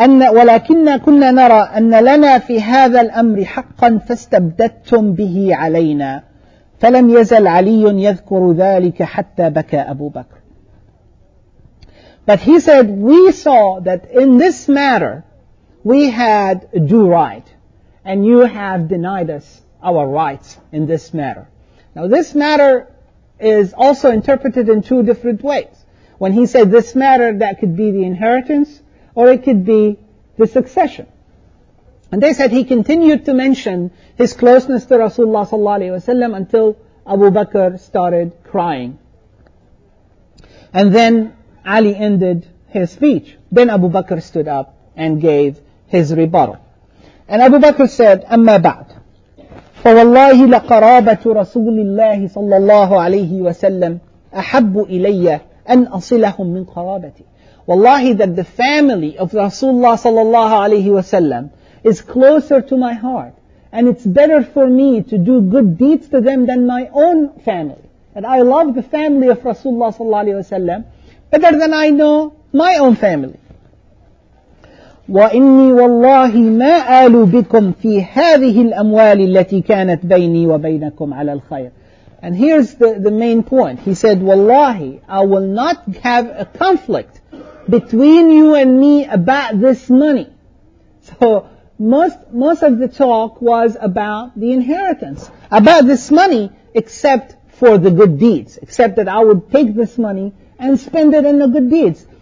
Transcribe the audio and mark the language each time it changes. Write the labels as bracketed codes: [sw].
[ar] ولكننا كنا نرى أن لنا في هذا الأمر حقا فاستبدتم به علينا فلم يزل علي يذكر ذلك حتى بكى أبو بكر. [en] But he said, we saw that in this matter we had a due right, and you have denied us our rights in this matter. Now this matter is also interpreted in two different ways. When he said this matter, that could be the inheritance, or it could be the succession. And they said he continued to mention his closeness to Rasulullah sallallahu alaihi wasallam until Abu Bakr started crying. And then Ali ended his speech. Then Abu Bakr stood up and gave his rebuttal. And Abu Bakr said, [ar] "Amma ba'd, فَوَاللَّهِ لَقَرَابَةُ رَسُولِ اللَّهِ صَلَّى اللَّهُ عَلَيْهِ وَسَلَّمُ أَحَبُّ إِلَيَّ أن أصلهم من قرابتي. [en] Wallahi, that the family of Rasulullah sallallahu alayhi wa sallam is closer to my heart, and it's better for me to do good deeds to them than my own family. And I love the family of Rasulullah sallallahu alayhi wa sallam better than I know my own family. [ar] وإني والله ما آل بكم في هذه الأموال التي كانت بيني وبينكم على الخير. [en] And here's the main point. He said, "Wallahi, I will not have a conflict between you and me about this money." So most of the talk was about the inheritance, about this money, except for the good deeds, except that I would take this money and spend it in the good deeds.